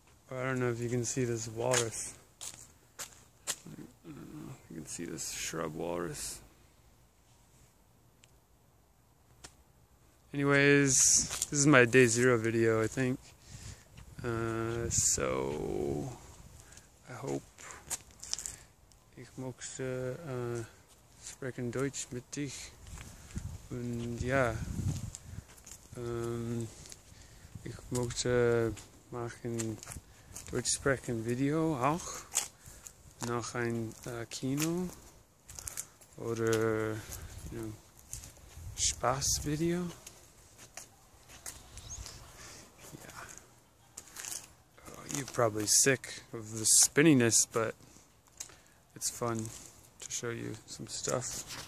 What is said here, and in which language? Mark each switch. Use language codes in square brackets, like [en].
[en] Or I don't know if you can see this walrus. I don't know if you can see this shrub walrus. Anyways, this is my day zero video, I think. So I hope [de] ich möchte sprechen Deutsch mit dich. Und ja, ich möchte machen Deutsch sprechen Video auch nach ein Kino oder Spaß Video. [en] Yeah. Oh, you're probably sick of the spinniness, but it's fun to show you some stuff.